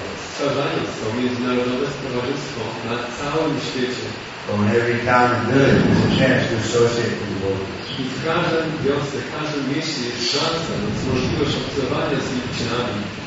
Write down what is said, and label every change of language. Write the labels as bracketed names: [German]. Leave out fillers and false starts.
[Polish] Stwarzając to międzynarodowe stowarzystwo na całym świecie. [English] Every town and village is a chance to associate with the devotees. [Polish] W każdym wiosce, w każdym mieście jest szansa, jest możliwość obcowania z wielbicielami.